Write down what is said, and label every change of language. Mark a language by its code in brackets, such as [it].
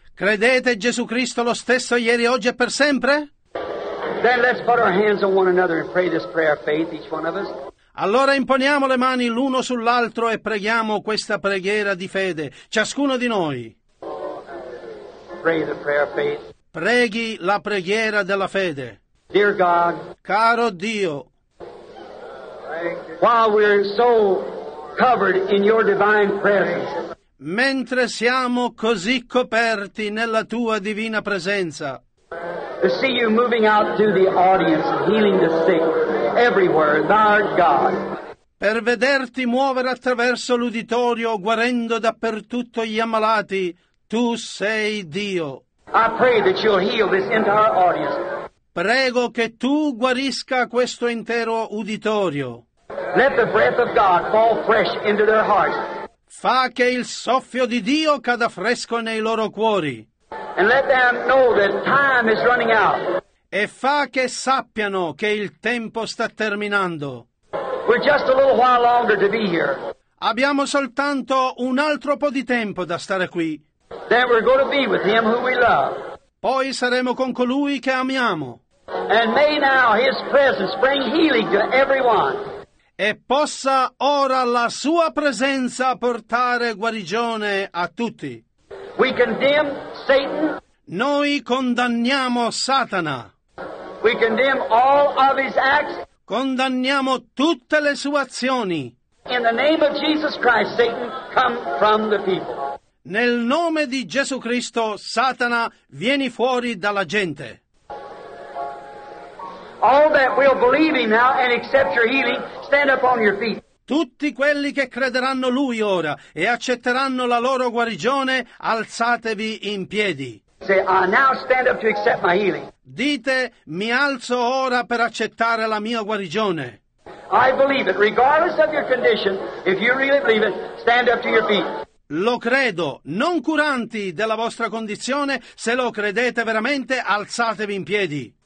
[it] Credete Gesù Cristo lo stesso ieri, oggi e per sempre? [en] Then let's put our hands on one another and pray this prayer of faith, each one of us. [it] Allora imponiamo le mani l'uno sull'altro e preghiamo questa preghiera di fede, ciascuno di noi. [en] Pray the prayer of faith. [it] Preghi la preghiera della fede. [en] Dear God, [it] caro Dio, [en] while we're so covered in your divine presence, [it] mentre siamo così coperti nella tua divina presenza, [en] to see you moving out through the audience and healing the sick everywhere, thou art God. [it] Per vederti muovere attraverso l'uditorio guarendo dappertutto gli ammalati, tu sei Dio. [en] I pray that you'll heal this entire audience. [it] Prego che tu guarisca questo intero uditorio. [en] Let the breath of God fall fresh into their hearts. [it] Fa che il soffio di Dio cada fresco nei loro cuori. [en] And let them know that time is running out. [it] E fa che sappiano che il tempo sta terminando. [en] We're just a little while longer to be here. [it] Abbiamo soltanto un altro po' di tempo da stare qui. [en] Then we're going to be with him who we love. [it] Poi saremo con colui che amiamo. [en] And may now his presence bring healing to everyone. [it] E possa ora la sua presenza portare guarigione a tutti. [en] We condemn Satan. [it] Noi condanniamo Satana. [en] We condemn all of his acts. [it] Condanniamo tutte le sue azioni. [en] In the name of Jesus Christ, Satan, come from the people. [it] Nel nome di Gesù Cristo, Satana, vieni fuori dalla gente. [en] All that will believe him now and accept your healing, stand up on your feet. [it] Tutti quelli che crederanno lui ora e accetteranno la loro guarigione, alzatevi in piedi. [en] Say, I now stand up to accept my healing. [it] Dite, mi alzo ora per accettare la mia guarigione. [en] I believe it, regardless of your condition, if you really believe it, stand up to your feet. [it] Lo credo, non curanti della vostra condizione, se lo credete veramente, alzatevi in piedi.